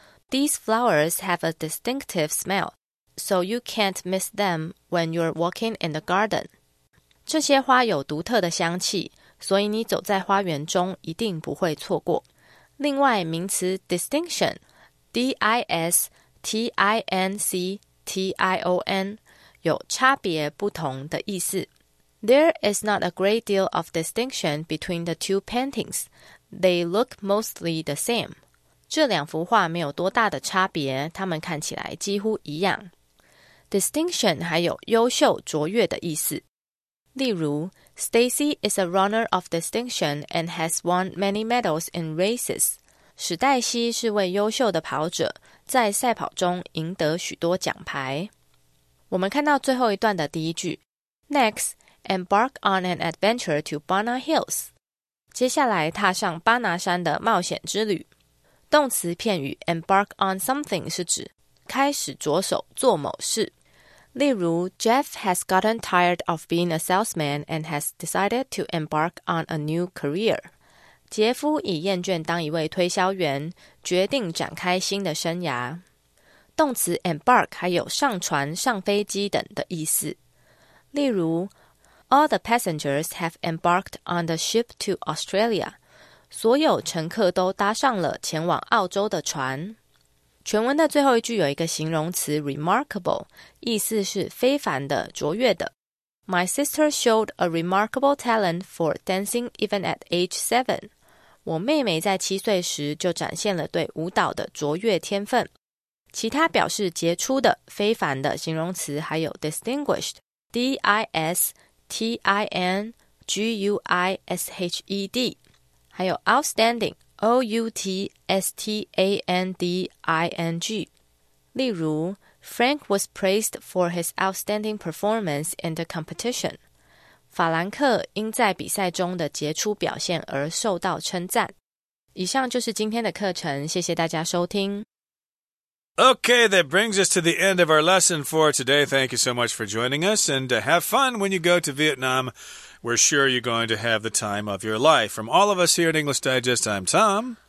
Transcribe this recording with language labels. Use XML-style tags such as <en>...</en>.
<en>These flowers have a distinctive smell, so you can't miss them when you're walking in the garden.</en> <zh>这些花有独特的香气，所以你走在花园中一定不会错过。另外，名词 distinction, distinction, 有差别、不同的意思。</zh> <en>There is not a great deal of distinction between the two paintings. They look mostly the same.</en> <zh>这两幅画没有多大的差别，它们看起来几乎一样。</zh> <en>Distinction</en> <zh>还有优秀、卓越的意思。例如</zh> <en>,Stacy is a runner of distinction and has won many medals in races.</en> <zh>史黛西是位优秀的跑者，在赛跑中赢得许多奖牌。我们看到最后一段的第一句。</zh> <en>Next,embark on an adventure to Barna Hills.</en> <zh>接下来踏上巴拿山的冒险之旅。动词片语 embark on something 是指开始着手做某事。</zh> <en>例如 ,Jeff has gotten tired of being a salesman and has decided to embark on a new career.</en> <zh>杰夫已厌倦当一位推销员，决定展开新的生涯。动词 embark 还有上船、上飞机等的意思。</zh> <en>例如All the passengers have embarked on the ship to Australia.</en> <zh>所有乘客都搭上了前往澳洲的船。全文的最后一句有一个形容词 remarkable, 意思是非凡的、卓越的。</zh> <en>My sister showed a remarkable talent for dancing even at age 7.</en> <zh>我妹妹在七岁时就展现了对舞蹈的卓越天分。其他表示杰出的、非凡的形容词还有 distinguished, distinguished, 还有 outstanding, outstanding.</zh> <en>例如 ,Frank was praised for his outstanding performance in the competition.</en> <zh>法兰克因在比赛中的杰出表现而受到称赞。以上就是今天的课程，谢谢大家收听。</zh> <en>Okay, that brings us to the end of our lesson for today. Thank you so much for joining us, and have fun when you go to Vietnam. We're sure you're going to have the time of your life. From all of us here at English Digest, I'm Tom.</en>